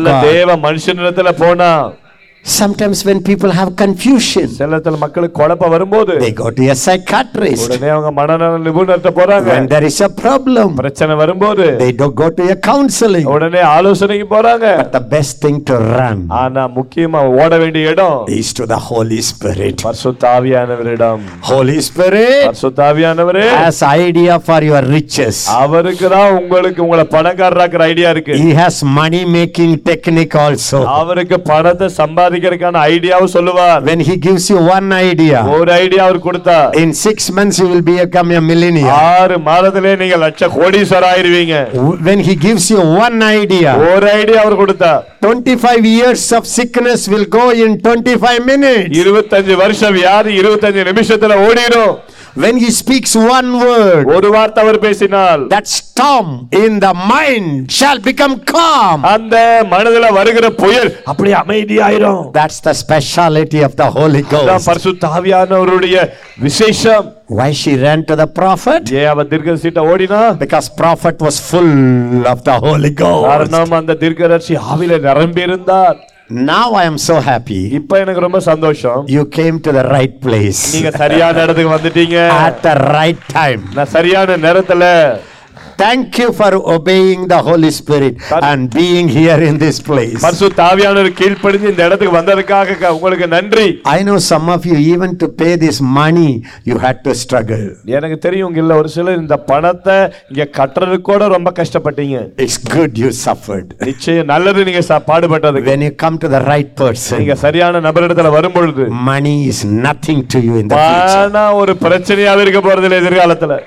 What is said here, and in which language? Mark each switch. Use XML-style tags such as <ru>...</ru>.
<ta>முதல்ல தேவ மனுஷனிடத்துல போனா.</ta> <en>Sometimes when people have confusion.</en> <ta>செல்லத்தில் மக்களுக்கு குழப்பம் வரும்போது.</ta> <en>They go to a psychiatrist.</en> <ta>உடனே அவங்க மனநல நிபுணர்கிட்ட போறாங்க.</ta> <en>When there is a problem.</en> <ta>பிரச்சனை வரும்போது.</ta> <en>They don't go to a counseling.</en> <ta>உடனே ஆலோசனைக்கு போறாங்க.</ta> <en>But the best thing to run.</en> <ta>ஆனா முக்கியமா ஓட வேண்டிய இடம்.</ta> <en>Is to the Holy Spirit.</en> <ta>பரிசுத்த ஆவியானவரிடம்.</ta> <en>Holy Spirit.</en> <ta>பரிசுத்த ஆவியானவரே.</ta> <en>Has idea for your riches.</en> <ta>அவருக்கு தான் உங்களுக்கு உங்களை பணக்காரராக்குற ஐடியா இருக்கு.</ta> <en>He has money making technique also.</en> <ta>அவருக்கு பணத்தை சம்பாதி</ta> <en>When he gives you one idea,</en> <ta>ஒரு ஐடியா அவர் கொடுத்தா,</ta> <en>in 6 months you will become a millionaire.</en> <ta>ஆறு மாதத்திலே நீங்க லட்ச கோடீஸ்வரர் ஆயிருவீங்க.</ta> <en>When he gives you one idea,</en> <ta>ஒரு ஐடியா அவர் கொடுத்தா,</ta> <en>25 years of sickness will go in 25 minutes.</en> <ta>25 வருஷம் வியாதி 25 நிமிஷத்துல ஓடிடும்.</ta> <en>When he speaks one word,</en> <ta>ஒரு வார்த்தை அவர் பேசினால்,</ta> <en>that storm in the mind shall become calm.</en> <ta>அந்த மனதில வருகிற புயல் அப்படி அமைதியாயிரும்.</ta> <en>That's the speciality of the Holy Ghost.</en> <ta>அந்த பரிசுத்த ஆவியானவருடைய விசேஷம்.</ta> <en>Why she ran to the prophet?</en> <ta>ஏன் அவ தீர்க்கதரிசிட்ட ஓடினா?</ta> <en>Because prophet was full of the Holy Ghost.</en> <ta>காரணம் அந்த தீர்க்கதரிசி ஆவியிலே நிரம்பி இருந்தார்.</ta> <en>Now I am so happy.</en> <ta>இப்ப எனக்கு ரொம்ப சந்தோஷம்.</ta> <en>You came to the right place.</en> <ta>நீங்க சரியான இடத்துக்கு வந்துட்டீங்க.</ta> <en>At the right time.</en> <ta>நான் சரியான நேரத்துல.</ta> <en>Thank you for obeying the Holy Spirit and being here in this place.</en> <ta>பரிசுத்த ஆவியானவர் கீழ்ப்படிந்து இந்த இடத்துக்கு வந்ததற்காக உங்களுக்கு நன்றி.</ta> <en>I know some of you even to pay this money you had to struggle.</en> <ta>எனக்கு தெரியும் இல்ல ஒரு சிலர் இந்த பணத்தை இங்க கட்டறது கூட ரொம்ப கஷ்டப்பட்டீங்க.</ta> <en>It's good you suffered.</en> <ta>நிச்சயம் நல்லது நீங்க பாடுபட்டது.</ta> <en>When you come to the right person.</en> <ta>நீங்க சரியான நபரிடத்துல வரும்பொழுது</ta> <en>money is nothing to you in the future.</en> <ta>பணம் ஒரு பிரச்சனையா இருக்க போறது இல்ல எதிர்காலத்துல.</ta>